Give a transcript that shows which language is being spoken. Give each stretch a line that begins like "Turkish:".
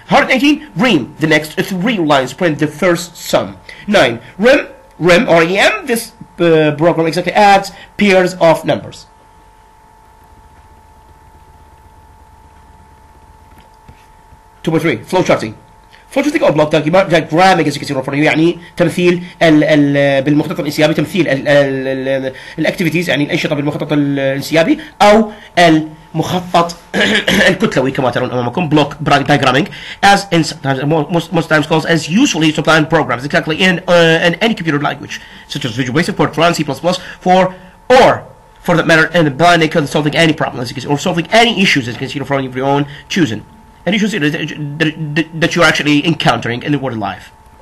English: 118, ream, the next three lines print the first sum. 9, rem, or em, this program exactly adds pairs of numbers. Two point three, flowcharting. Flowcharting or block diagram, as you can see from here,
Arabic: يعني تمثيل ال بالمخطط الانسيابي, تمثيل ال activities, يعني الأنشطة بالمخطط الانسيابي أو المخطط الكتلوي كما ترون أمامكم.
English: Block diagramming, as in most times called, as usually supplying programs exactly in any computer language, such as Visual Basic, Fortran, C++, for that matter, in Blender, solving any problems, as you can see, or solving any issues, as you can see from your own choosing. And you should see that you're actually encountering in the world of life.